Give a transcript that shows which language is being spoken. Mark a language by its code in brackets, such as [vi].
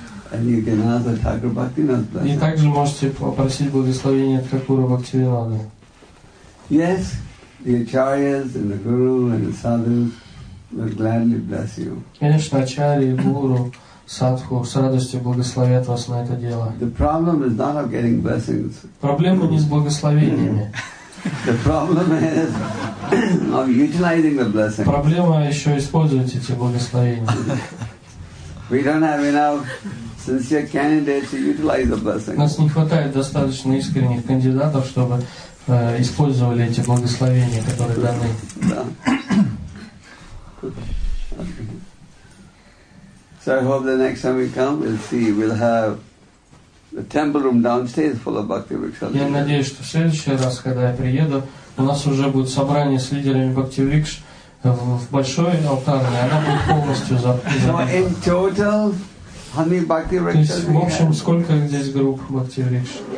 [en] And you can ask the Thakur Bhaktivinoda's blessing. [ru] И также можете попросить благословения от Тхакура Бхактивинода. [en] Yes, the acharyas and the guru and the sadhus will gladly bless you. [ru] Конечно, ачарьи, гуру, садху с радостью благословят вас на это дело. [en] The problem is not of getting blessings. [ru] Проблема не с благословениями. [en] The problem is of utilizing the blessings. [ru] Проблема еще использовать эти благословения. [en] We don't have enough sincere candidates to utilize the blessings. [ru] Нас не хватает достаточно искренних кандидатов, чтобы использовали эти благословения, которые даны. [en] So I hope the next time we come, we'll see, we'll have the temple room downstairs full of bhakti riksha. [ru] Я надеюсь, что в следующий раз, когда я приеду, у нас уже будет собрание с лидерами бхакти рикш в большой алтарной, она будет полностью заполнена. [en] How many bhakti rikshas? [ru] То есть, в общем, сколько здесь групп бхакти рикш?